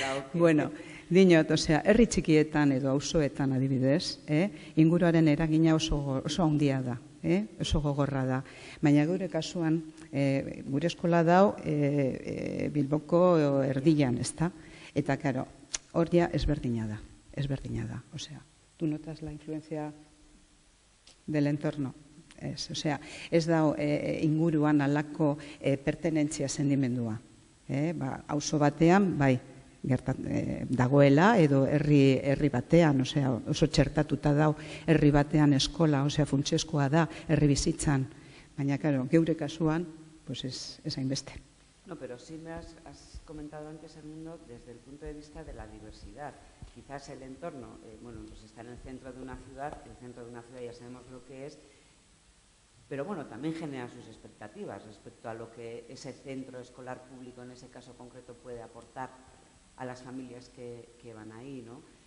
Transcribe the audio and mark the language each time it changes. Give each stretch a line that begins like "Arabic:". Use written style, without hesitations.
Basque: Bueno, dinot, osea, herri txikietan edo auzoetan adibidez, inguruaren eragina oso handia da, oso gogorra da. Baina gure kasuan, gure eskola dau Bilboko erdian, ezta? Eta claro, hori ezberdina da. Ezberdina da, osea.
Spanish: Tu notas la influencia del entorno.
Basque: Es, o sea, ez dago inguruan alako pertenentzia sentimendua, ba auzo batean bai gertat dagoela edo herri batean, o sea, oso txertatuta dago herri batean eskola, o sea, funtsezkoa da herri bizitzan. Baina claro, geure kasuan
Spanish: pues es
Basque: hainbeste.
Spanish: No, pero sí me has comentado antes el mundo desde el punto de vista de la diversidad. Quizás el entorno, pues está en el centro de una ciudad ya sabemos lo que es, pero bueno, también genera sus expectativas respecto a lo que ese centro escolar público, en ese caso concreto, puede aportar a las familias que van ahí, ¿no?